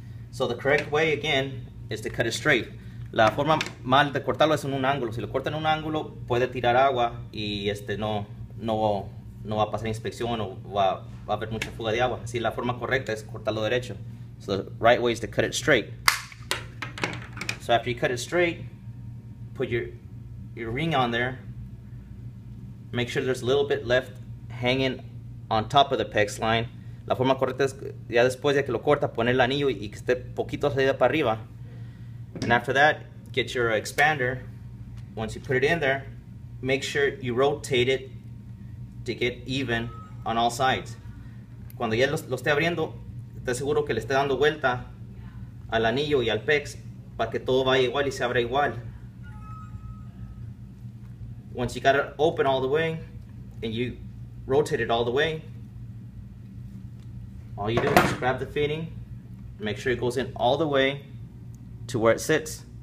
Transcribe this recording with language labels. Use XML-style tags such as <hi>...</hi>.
<en>So the correct way, again, is to cut it straight.</en> <es>La forma mal de cortarlo es en un ángulo. Si lo cortan en un ángulo, puede tirar agua y no va a pasar inspección o va a haber mucha fuga de agua. Así la forma correcta es cortarlo derecho.</es> <en>So the right way is to cut it straight. So after you cut it straight, put your ring on there. Make sure there's a little bit left hanging on top of the PEX line.</en> <es>La forma correcta es ya después de que lo corta, poner el anillo y que esté poquito salida para arriba.</es> <en>And after that, get your expander. Once you put it in there, make sure you rotate it to get even on all sides.</en> <es>Cuando ya lo esté abriendo, esté seguro que le esté dando vuelta al anillo y al PEX. Para que todo vaya igual y se abra igual.</es> <en>Once you got it open all the way and you rotate it all the way, all you do is grab the fitting, make sure it goes in all the way to where it sits.</en>